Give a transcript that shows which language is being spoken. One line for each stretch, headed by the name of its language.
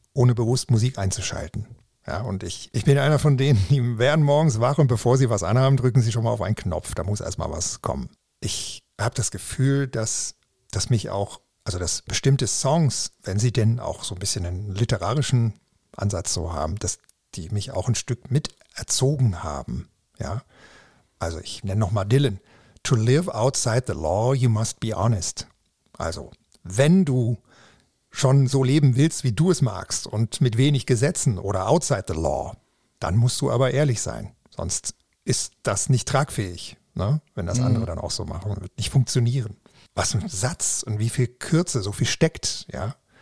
German: Ohne bewusst Musik einzuschalten. Ja, und ich bin einer von denen, die werden morgens wach und bevor sie was anhaben, drücken sie schon mal auf einen Knopf. Da muss erstmal was kommen. Ich habe das Gefühl, dass mich auch, also dass bestimmte Songs, wenn sie denn auch so ein bisschen einen literarischen Ansatz so haben, dass die mich auch ein Stück mit erzogen haben. Ja, also ich nenne nochmal Dylan.
English: To live outside the law, you must be honest.
German: Also, wenn du schon so leben willst, wie du es magst und mit wenig Gesetzen oder
English: outside the law,
German: dann musst du aber ehrlich sein. Sonst ist das nicht tragfähig, ne? Wenn das andere dann auch so machen, wird nicht funktionieren. Was ein Satz und wie viel Kürze, so viel steckt, ja?